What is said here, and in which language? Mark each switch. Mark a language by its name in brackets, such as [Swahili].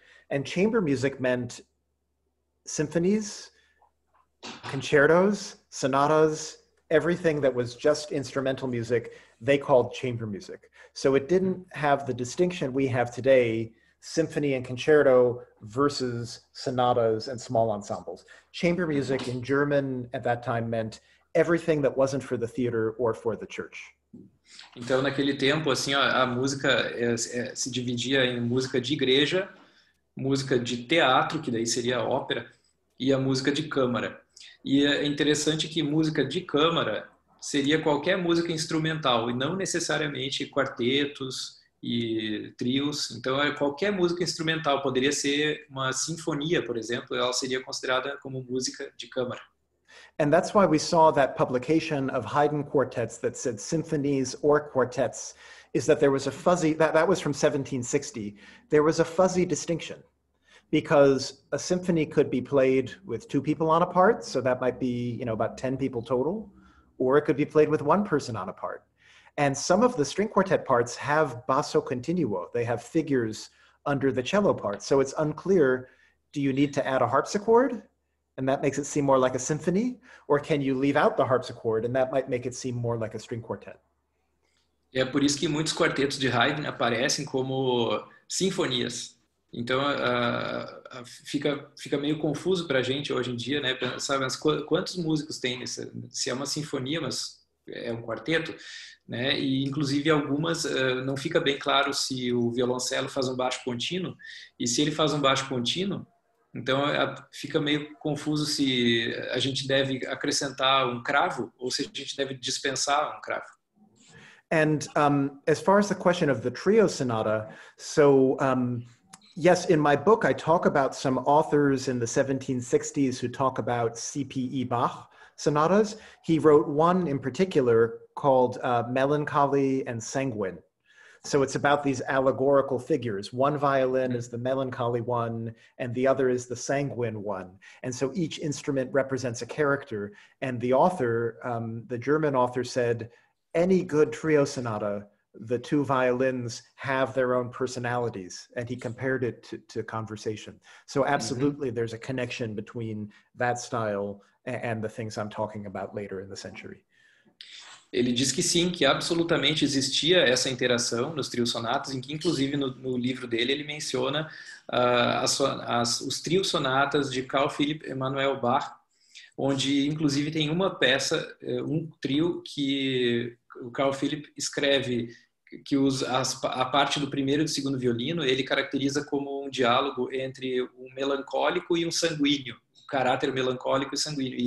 [English] And chamber music meant symphonies, concertos, sonatas, everything that was just instrumental music, they called chamber music. So it didn't have the distinction we have today, symphony and concerto versus sonatas and small ensembles. Chamber music in German at that time meant everything that wasn't for the theater or for the church. [Portuguese] Então, naquele tempo, assim, a música se dividia em música de igreja, música de teatro, que daí seria a ópera, e a música de câmara. E é interessante que música de câmara seria qualquer música instrumental, e não necessariamente quartetos e trios. Então, qualquer música instrumental poderia ser uma sinfonia, por exemplo, ela seria considerada como música de câmara. [English] And that's why we saw that publication of Haydn quartets that said symphonies or quartets, is that there was a fuzzy, that was from 1760, there was a fuzzy distinction, because a symphony could be played with two people on a part, so that might be, you know, about 10 people total, or it could be played with one person on a part. And some of the string quartet parts have basso continuo. They have figures under the cello part. So it's unclear, do you need to add a harpsichord? And that makes it seem more like a symphony? Or can you leave out the harpsichord and that might make it seem more like a string quartet? [Portuguese] É por isso que muitos quartetos de Haydn aparecem como sinfonias. Então, fica meio confuso para a gente hoje em dia, né? Sabe, mas quantos músicos tem nesse, se é uma sinfonia, mas é um quarteto, né? E, inclusive, algumas, não fica bem claro se o violoncelo faz um baixo contínuo. E se ele faz um baixo contínuo, então fica meio confuso se a gente deve acrescentar um cravo ou se a gente deve dispensar um cravo. [English] And as far as the question of the trio sonata, so yes, in my book, I talk about some authors in the 1760s who talk about C.P.E. Bach sonatas. He wrote one in particular called Melancholy and Sanguine. So it's about these allegorical figures. One violin is the melancholy one, and the other is the sanguine one. And so each instrument represents a character. And the author, the German author said, any good trio sonata, the two violins have their own personalities, and he compared it to conversation. So absolutely, mm-hmm. there's a connection between that style and the things I'm talking about later in the century. [Portuguese] Ele diz que sim, que absolutamente existia essa interação nos trios sonatas, em que inclusive no livro dele ele menciona os trios sonatas de Carl Philipp Emanuel Bach, onde inclusive tem uma peça, um trio que o Carl Philipp escreve que a parte do primeiro e do segundo violino ele caracteriza como um diálogo entre um melancólico e um sanguíneo, um caráter melancólico e sanguíneo.